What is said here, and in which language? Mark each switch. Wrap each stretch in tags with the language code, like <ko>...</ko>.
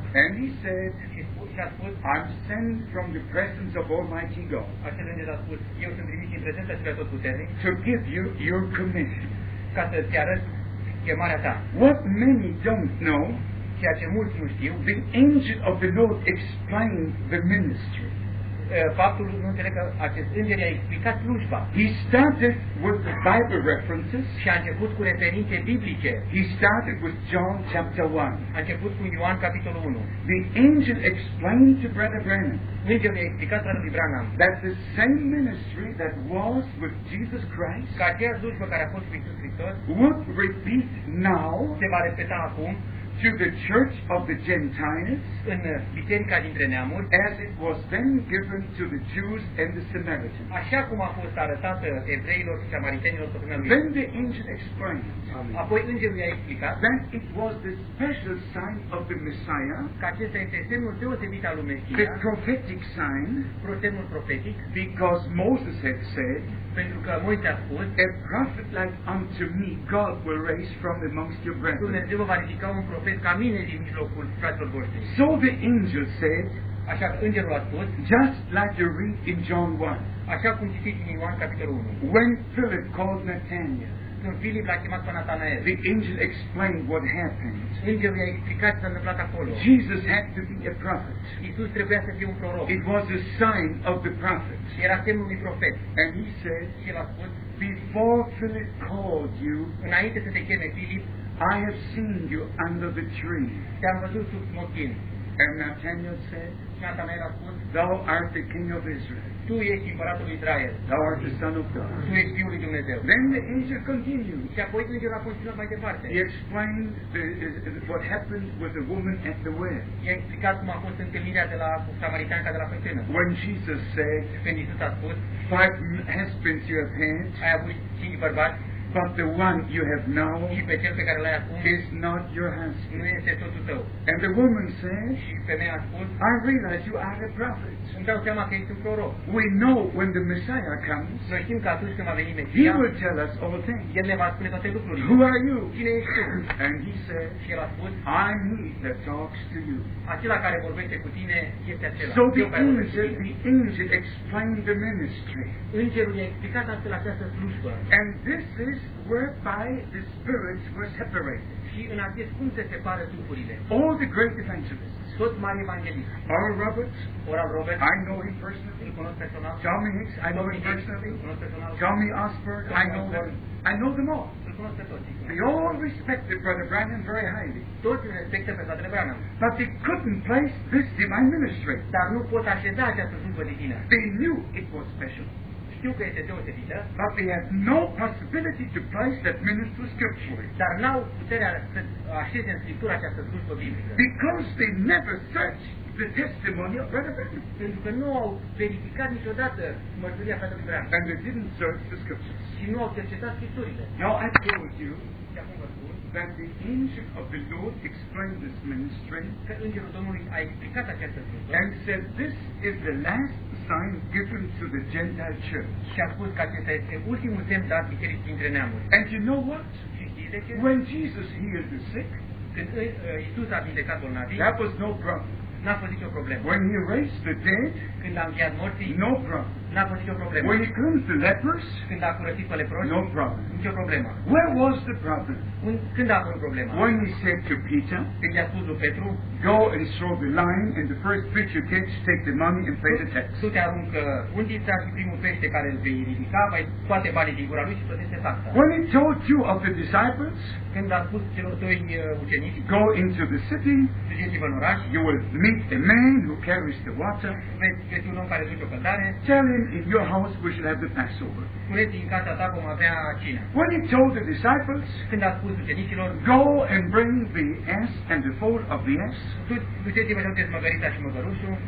<en>And he said, I'm sent from the presence of Almighty God.</en> <ro>Acel înger a spus, eu sunt trimis din prezența celui atotputernic.</ro> <en>To give you your commission.</en> <ro>Ca să îți arăt chemarea ta.</ro> <en>What many don't know,</en> <ro>ceea ce mulți nu știu,</ro> <en>the angel of the Lord explained the ministry.</en> <ro>Faptul nu înțeleg că acest înger i-a explicat slujba.</ro> <en>He started with the Bible references.</en> <ro>Și a început cu referințe biblice.</ro> <en>He started with John chapter 1.</en> <ro>A început cu Ioan capitolul 1.</ro> <en>The angel explained to Brother Branham.</en> <ro>Îngerul i-a explicat fratelui Branham.</ro> <en>That's the same ministry that was with Jesus Christ.</en> <ro>Că aceea slujba care a fost cu Iisus Hristos.</ro> <en>Would repeat now.</en> <ro>Se va repeta acum.</ro> <en>to the church of the Gentiles,</en> <ro>în biserica dintre neamuri,</ro> <en>as it was then given to the Jews and the Samaritans.</en> <ro>Așa cum a fost arătată evreilor și samaritenilor pe primul.</ro> <en>Then the angel explained.</en> <ro>Apoi îngerul i-a explicat.</ro> <en>Then it was the special sign of the Messiah.</en> <ro>Că acesta este semnul deosebit al lui Mesia.</ro> <en>The prophetic sign.</en> <ro>Semnul profetic.</ro> <en>Because Moses had said.</en> <ro>Pentru că Moise a spus.</ro> <en>A prophet like unto me, God will raise from amongst your brethren.</en> <ro>Dumnezeu va ridica un profet ca mine din mijlocul fraților voștri.</ro> <en>So the angel said.</en> <ro>Așa că îngerul a spus.</ro> <en>Just like you read in John 1.</en> <ro>Așa cum citiți în Ioan capitolul 1.</ro> <en>When Philip called Nathanael.</en> <ro>Când Filip l-a chemat pe Nathanael.</ro> <en>The angel explained what happened.</en> <ro>Îngerul i-a explicat ce s-a întâmplat acolo.</ro> <en>Jesus had to be a prophet.</en> <ro>Iisus trebuia să fie un proroc.</ro> <en>It was a sign of the prophet.</en> <ro>Era semnul unui profet.</ro> <en>And he said.</en> <ro>Și el a spus.</ro> <en>Before Philip called you.</en> <ro>Înainte să te cheme Filip.</ro> <en>I have seen you under the tree.</en> <ro>Te-am văzut sub smochin.</ro> <en>And Nathanael said.</en> <ro>Și Nathanael a spus.</ro> <en>Thou art the king of Israel.</en> <ro>Tu ești împăratul Israel.</ro> <en>Thou art the son of God.</en> <ro>Tu ești fiul lui Dumnezeu.</ro> <en>Then the angel continued.</en> <ro>Și apoi îngerul a continuat mai departe.</ro> <en>He explained what happened with the woman at the well.</en> <ro>I-a explicat cum a fost întâlnirea de la samaritanca de la fântână.</ro> <en>When Jesus said,</en> <ro>când Iisus a spus,</ro> <en>five husbands you have had.</en> <ro>Ai avut cinci bărbați.</ro> <en>But the one you have now</en> <ro>pe cel pe care l-ai acum</ro> <en>is not your husband.</en> <ro>Nu este totul tău.</ro> <en>And the woman said,</en> <ro>și femeia a spus,</ro> <en>I realize you are a prophet.</en> <ro>Îmi dau seama că ești un proroc.</ro> <en>We know when the Messiah comes,</en> <ro>noi știm că atunci când va veni Mesia,</ro> <en>he will tell us all things.</en> <ro>El ne va spune toate lucrurile.</ro> <en>Who are you?</en> <ro>Cine ești tu?</ro> <en>And he said,</en> <ro>și el a spus,</ro> <en>I'm he that talks to you.</en> <ro>Acela care vorbește cu tine este acela.</ro> <en>So the angel explained the ministry.</en> <ro>Îngerul i-a explicat astfel această slujbă.</ro> <en>And this is whereby the spirits were separated.</en> <ro>Și în acest punct se separă duhurile.</ro> <en>All the great evangelists.</en> <ro>Toți mari evanghelici.</ro> <en>Oral Roberts. I know him personally.</en> <ro>Îl cunosc personal.</ro> <en>Tommy Hicks. I know him personally.</en> <ro>Îl cunosc personal.</ro> <en>Tommy Osberg. I know them. I know them all.</en> <ro>Îl cunosc pe toți.</ro> <en>They all respected Brother Branham very highly.</en> <ro>Toți respectă pe Brother Branham.</ro> <en>But they couldn't place this divine ministry.</en> <ro>Dar nu pot așeza această slujbă divină.</ro> <en>They knew it was special. But they had no possibility to place that ministry to Scripture.</en> <ro>Dar n-au puterea să așeze în Scriptură această slujbă biblică.</ro> <en>Because they never searched the testimony of Brother Branham.</en> <ro>Pentru că nu au verificat niciodată mărturia Fratelui Branham.</ro> <en>And they didn't search the Scriptures.</en> <ro>Și nu au cercetat Scripturile.</ro> <en>Now I told you that the angel of the Lord explained this ministry.</en> <ro>Că îngerul Domnului a explicat această slujbă.</ro> <en>And said, this is the last sign given to the Gentile church.</en> <ro>Și a spus că acesta este ultimul semn dat bisericii dintre neamuri.</ro> <en>And you know what? When Jesus healed the sick,</en> <ro>când Iisus a vindecat bolnavii,</ro> <en>that was no problem.</en> <ro>N-a fost nicio problemă.</ro> <en>When he raised the dead,</en> <ro>când a înviat morții,</ro> <en>no problem.</en> <ro>N-a fost nicio problemă.</ro> <en>When he cleansed the lepers,</en> <ro>când a curățit pe leproși,</ro> <en>no problem.</en> <ro>Nicio problemă.</ro> <en>Where was the problem?</en> <ro>Când a avut problema?</ro> <en>When he said to Peter,</en> <ro>când i-a spus lui Petru,</ro> <en>go and throw the line and the first fish you catch, take the money and pay the tax.</en> <ro>Tu te aruncă undița și primul pește care îl vei ridica, mai toate banii din gura lui și plătește taxa.</ro> <en>When he told you of the disciples,</en> <ro>când a spus celor doi ucenici,</ro> <en>go into the city,</en> <ro>duceți-vă în oraș,</ro> <en>you will meet a man who carries the water,</en> <ro>veți găsi un om care duce o cântare,</ro> <en>tell him in your house we shall have the Passover.</en> <ro>Spuneți în casa ta vom avea cina.</ro> <en>When he told the disciples,</en> <ro>când a spus ucenicilor,</ro> <en>go and bring the ass and the foal of the ass,</en> <ro>duceți-vă și aduceți măgărița și măgărușul,</ro>